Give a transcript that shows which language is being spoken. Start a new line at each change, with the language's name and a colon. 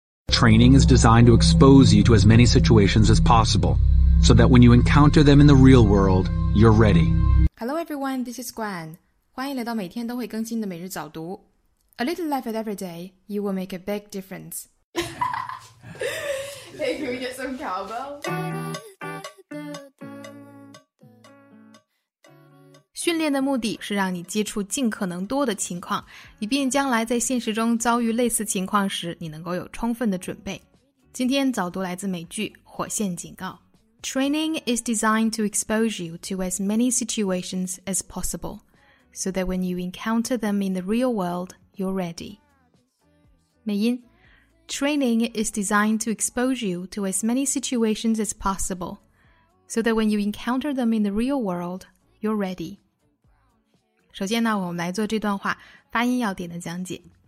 English: Training is designed to expose you to as many situations as possible, so that when you encounter them in the real world, you're ready. Hello everyone, this is Gwen.
Chinese: 欢迎来到每天都会更新的每日早读。
English: A little life at every day, you will make a big difference. Hey, can we get some cowbell?
Chinese: 训练的目的是让你接触尽可能多的情况，以便将来在现实中遭遇类似情况时，你能够有充分的准备。今天早读来自美剧《火线警告》。
English: Training is designed to expose you to as many situations as possible, so that when you encounter them in the real world, you're ready. 美音 Training is designed to expose you to as many situations as possible, so that when you encounter them in the real world, you're ready.
Chinese: 首先呢，我们来做这段话发音要点的讲解。